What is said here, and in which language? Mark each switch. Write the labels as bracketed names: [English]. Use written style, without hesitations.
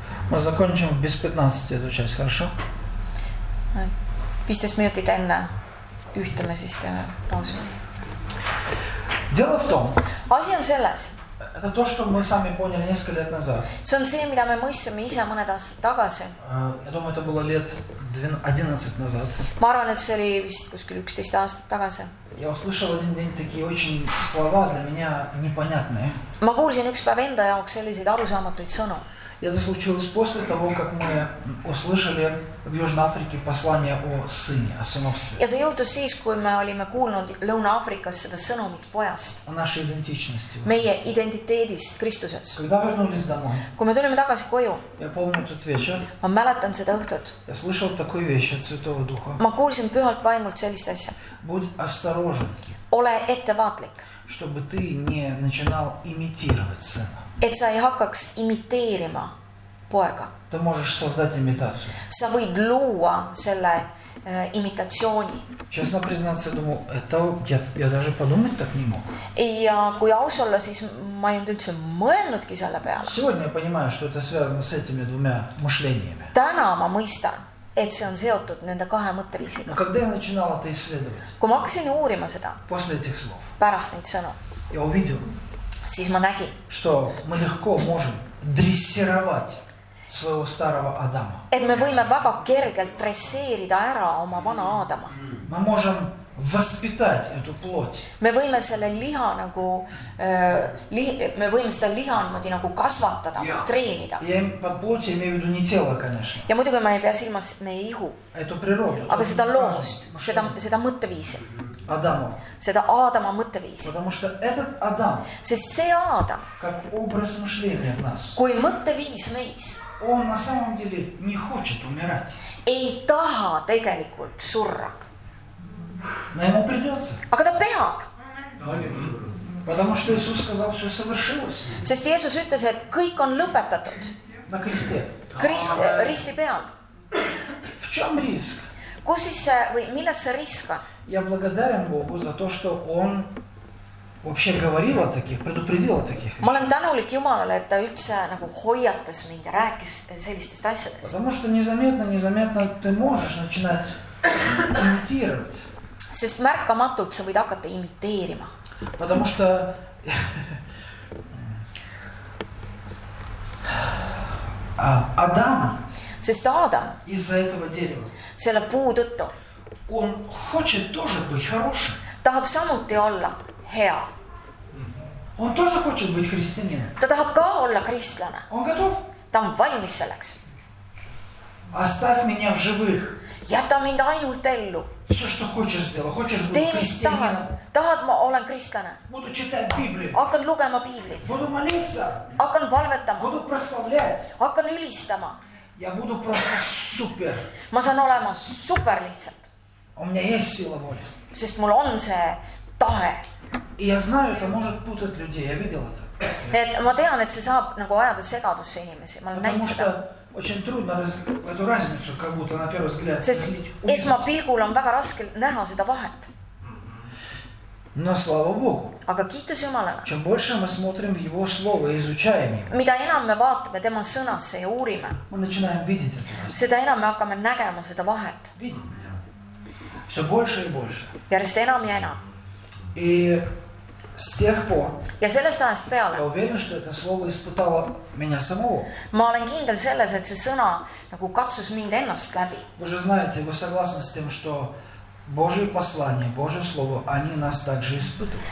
[Russian] Мы закончим без 15 эту часть, хорошо? 15 минут и тенна. [Estonian] Ühtame siis teeme паузу. [Russian] Дело в том. [Estonian] Asi on selles. [Russian] Это то, что мы сами поняли несколько лет назад. [Estonian] See on see, mida me mõistsime ise mõned aastat tagasi. [Russian] Я думаю, это было лет 11 назад. [Estonian] Ma arvan, et see oli vist kuskil 11 aastat tagasi. [Russian] Я услышал один день такие очень слова для меня непонятные. [Estonian] Ma kuulsin üks päev enda jaoks selliseid arusaamatuid sõnu. [Russian] Это случилось после того, как мы услышали в Южной Африке послание о сыне, о сыновстве. [Estonian] Ja see juhtus siis, kui me olime kuulnud Lõuna-Aafrikas seda sõnumit pojast. [Russian] О нашей идентичности. [Estonian] Meie identiteedist Kristuses. [Russian] Когда вернулись домой. [Estonian] Kui me tulime tagasi koju. [Russian] Я помню тот вечер. [Estonian] Ma mäletan seda õhtut. [Russian] Я слышал такую вещь от Святого Духа. [Estonian] Ma kuulsin pühalt vaimult sellist asja. [Russian] Будь осторожен. [Estonian] Ole ettevaatlik. [Russian] Чтобы ты не начинал имитировать сына. [Estonian] Et sa ei hakkaks imiteerima poega. [Russian] Ты можешь создать имитацию. [Estonian] Sa võid luua selle imitatsiooni. [Russian] Честно признаться, думаю, это я даже подумать так не мог. [Estonian] Ja kui aus olla, siis ma ei üldse mõelnudki selle peale. [Russian] Сегодня я понимаю, что это связано с этими двумя мышлениями. [Estonian] Täna ma mõistan. et see on seotud nende kahe mõtteviisiga. [Russian] Когда я начинала это исследовать? [Estonian] Kui ma hakkasin uurima seda. [Russian] После этих слов. [Estonian] Pärast neid sõnu. [Russian] Я увидел. [Estonian] Siis ma nägin. [Russian] Что мы легко можем дрессировать своего старого Адама. [Estonian] Et me võime väga kergelt dresseerida ära oma vana Aadama. [Russian] Мы можем воспитать эту плоть. [Estonian] Me võime selle liha nagu me võime seda liha moodi nagu kasvatada, treenida. [Russian] Ja под плоть я имею в виду не тело, конечно. [Estonian] Ja muidugi ma ei pea silmas meie ihu. [Russian] Это природа. [Estonian] Aga seda loomust, seda mõtteviisi. [Russian] Адама. [Estonian] Seda Aadama mõtteviisi. [Russian] Потому что этот Адам. [Estonian] Sest see Aadam. [Russian] Как образ мышления в нас. [Estonian] Kui mõtteviis meis. [Russian] Он на самом деле не хочет умирать. [Estonian] Ei taha tegelikult surra. [Russian] Но ему придется. А когда пеак? Потому что Иисус сказал, что все совершилось. [Estonian] Sest Jeesus ütles, et kõik on lõpetatud. [Russian] На кресте. [Estonian] Risti peal. [Russian] В чем риск? [Estonian] Kus siis, või milles see risk on? [Russian] Я благодарен Богу за то, что Он вообще говорил о таких, предупредил о таких. [Estonian] Ma olen tänulik Jumalale, et ta üldse nagu hoiatas mind ja rääkis sellistest asjadest. [Russian] Потому что незаметно ты можешь начинать имитировать. [Estonian] Sest märkamatult sa võid hakata imiteerima. [Russian] Потому что Адам. [Estonian] Sest Adam. [Russian] Из-за этого дерева. [Estonian] Selle puu tõttu. [Russian] Он хочет тоже быть хорошим. [Estonian] Tahab samuti olla hea. [Russian] Он тоже хочет быть христианином. [Estonian] Ta tahab ka olla kristlane. [Russian] Он готов. [Estonian] Ta on valmis selleks. [Russian] Оставь меня в живых. [Estonian] Jäta mind ainult ellu. [Russian] Все, что хочешь сделать, хочешь быть христианином. [Estonian] Tahad, ma olen kristlane. [Russian] Буду читать Библию. [Estonian] Hakkan lugema Biiblit. [Russian] Буду молиться. [Estonian] Hakkan palvetama. [Russian] Буду прославлять. [Estonian] Hakkan ülistama. [Russian] Я буду просто супер. [Estonian] Ma saan olema super lihtsalt. [Russian] У меня есть сила воли. [Estonian] Sest mul on see tahe. [Russian] И я знаю, это может путать людей. Я видел это. [Estonian] Et ma tean, et see saab nagu ajada segadusse inimesi. Ma olen näinud seda. [Russian] Очень трудно эту разницу, как будто на первый взгляд. [Estonian] Sest esmapilgul on väga raske näha seda vahet. [Russian] Но слава Богу. [Estonian] Aga kiitus Jumalale. [Russian] Чем больше мы смотрим в Его Слово и изучаем Его. [Estonian] Mida enam me vaatame tema sõnasse ja uurime. [Russian] Мы начинаем видеть это. [Estonian] Seda enam me hakkame nägema seda vahet. [Russian] Видим. Все больше и больше. [Estonian] Järjest enam ja enam. [Russian] И с тех пор. [Estonian] Ja sellest ajast peale. [Russian] Я уверен, что это слово испытало меня самого. [Estonian] Ma olen kindel selles, et see sõna nagu katsus mind ennast läbi. [Russian] Вы же знаете, вы согласны с тем, что Божие послание, Божие слово, они нас также испытывают.